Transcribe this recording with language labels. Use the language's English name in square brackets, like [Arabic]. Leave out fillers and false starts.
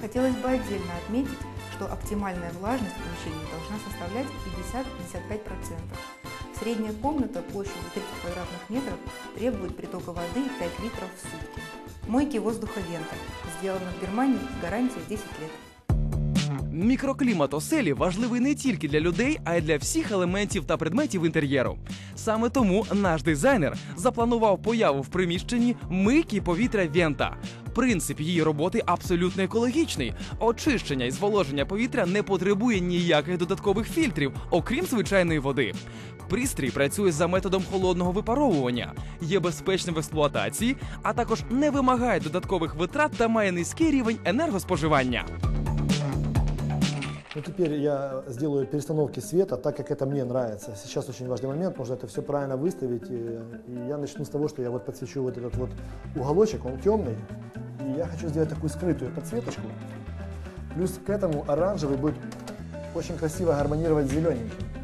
[Russian] Хотелось бы отдельно отметить, что оптимальная влажность помещения должна составлять 50-55%. Средняя комната площадью 30 квадратных метров требует притока воды 5 литров в сутки. Мойки воздуха Вента. Сделаны в Германии, гарантия 10 лет. [Ukrainian] Мікроклімат оселі важливий не тільки для людей, а й для всіх елементів та предметів інтер'єру. Саме тому наш дизайнер запланував появу в приміщенні мийки повітря Вента. Принцип її роботи абсолютно екологічний. Очищення і зволоження повітря не потребує ніяких додаткових фільтрів, окрім звичайної води. Пристрій працює за методом холодного випаровування, є безпечним в експлуатації, а також не вимагає додаткових витрат та має низький рівень енергоспоживання. [Russian] Ну, теперь я сделаю перестановки света, так как это мне нравится. Сейчас очень важный момент, нужно это все правильно выставить. И я начну с того, что я вот подсвечу вот этот вот уголочек, он темный. И я хочу сделать такую скрытую подсветочку. Плюс к этому оранжевый будет очень красиво гармонировать с зелененьким.